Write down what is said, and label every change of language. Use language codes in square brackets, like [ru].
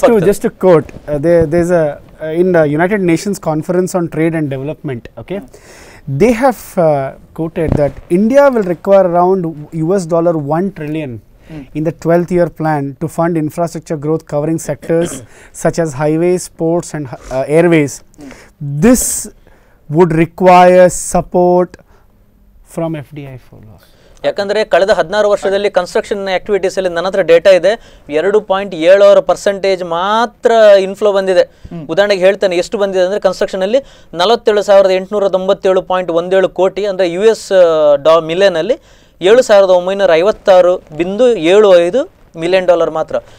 [en] Just quote this in the United Nations Conference on Trade and Development, okay, they have quoted that India will require around $1 trillion in the 12th year plan to fund infrastructure growth covering sectors such as highways, ports and airways. This would require support from FDI for loss. [kn] ಯಾಕಂದರೆ ಕಳೆದ 16 ವರ್ಷದಲ್ಲಿ construction ಆಕ್ಟಿವಿಟೀಸಲ್ಲಿ ನನ್ನ ಹತ್ರ data ಇದೆ, 2.76% ಮಾತ್ರ inflow ಬಂದಿದೆ. ಉದಾಹರಣೆಗೆ ಹೇಳ್ತೇನೆ ಎಷ್ಟು ಬಂದಿದೆ ಅಂದರೆ, ಕನ್ಸ್ಟ್ರಕ್ಷನಲ್ಲಿ 47,897.17 crore ಅಂದರೆ US ಮಿಲಿಯನ್ ಅಲ್ಲಿ 7,956.75 $20 million ಮಾತ್ರ.